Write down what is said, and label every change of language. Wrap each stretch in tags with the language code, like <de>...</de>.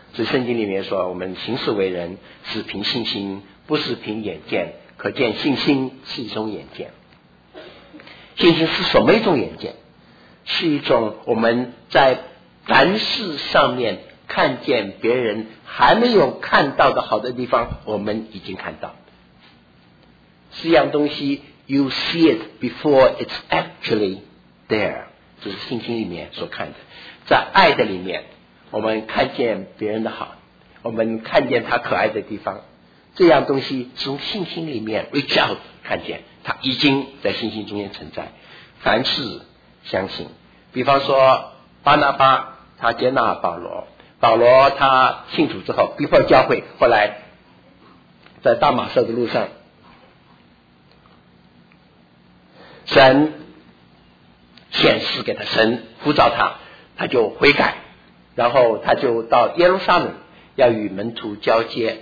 <zh>所以圣经里面说，我们行事为人是凭信心，不是凭眼见，可见信心是一种眼见。信心是什么一种眼见？是一种我们在凡事上面看见别人还没有看到的好的地方，我们已经看到。四样东西</zh> <en>you see it before it's actually there，</en> <zh>这是信心里面所看的。在爱的里面，我们看见别人的好，我们看见他可爱的地方，这样东西从信心里面</zh> <en>reach out</en> <zh>看见，他已经在信心中间存在。凡事相信，比方说巴拿巴他接纳保罗，保罗他信主之后逼迫教会，后来在大马色的路上，神显示给他，神呼召他，他就悔改，然后他就到耶路撒冷要与门徒交接。</zh>